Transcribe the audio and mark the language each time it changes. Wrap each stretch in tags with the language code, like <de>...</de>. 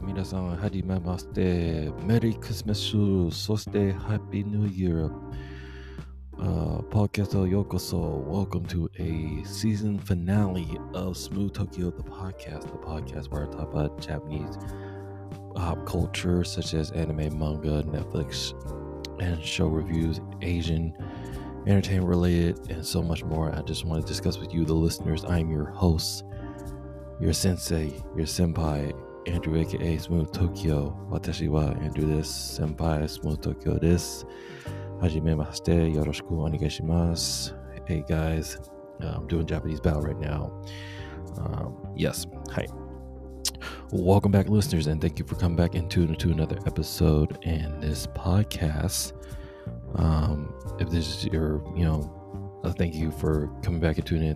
<ja>メリークリスマス、そしてハッピーニューイヤー。ポッドキャストようこそ。</ja> <en>Welcome to a season finale of Smooth Tokyo, the podcast. The podcast where I talk about Japanese pop culture such as anime, manga, Netflix, and show reviews, Asian entertainment related, and so much more. I just want to discuss with you, the listeners. I'm your host, your sensei, your senpai. Andrew aka Smooth Tokyo.</en> <ja>私はアンドリューです。先輩 Smooth Tokyo です。はじめまして、よろしくお願いします。</ja> <en>Hey guys, I'm doing Japanese battle right now. Yes, hi. Welcome back listeners, and thank you for coming back and tuning to another episode in this podcast. If this is your, you know,thank you for coming back and tuning in.</en>